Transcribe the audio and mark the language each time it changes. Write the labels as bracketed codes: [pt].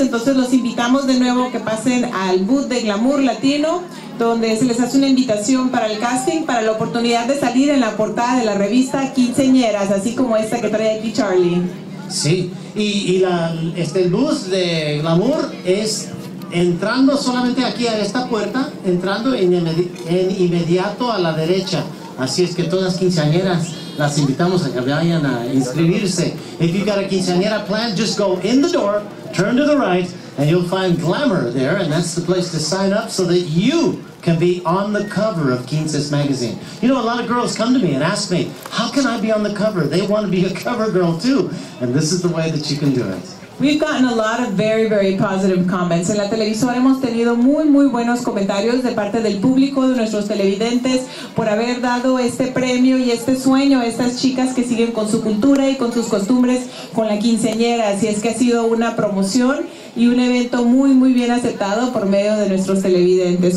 [es] Entonces los invitamos de nuevo que pasen al boot de Glamour Latino, donde se les hace una invitación para el casting, para la oportunidad de salir en la portada de la revista Quinceañeras, así como esta que trae aquí Charlie. Sí, y el bus de Glamour es entrando solamente aquí a esta puerta, entrando en inmediato a la derecha. Así es que todas quinceañeras las invitamos a que vayan a inscribirse. [en] If you've got a quinceañera plan, just go in the door, turn to the right, and you'll find Glamour there, and that's the place to sign up so that you can be on the cover of Quince's magazine. You know, a lot of girls come to me and ask me, how can I be on the cover? They want to be a cover girl too, and this is the way that you can do it. We've gotten a lot of very, very positive comments. [es] En la televisora hemos tenido muy, muy buenos comentarios de parte del público, de nuestros televidentes, por haber dado este premio y este sueño a estas chicas que siguen con su cultura y con sus costumbres con la quinceañera. Así es que ha sido una promoción y un evento muy, muy bien aceptado por medio de nuestros televidentes.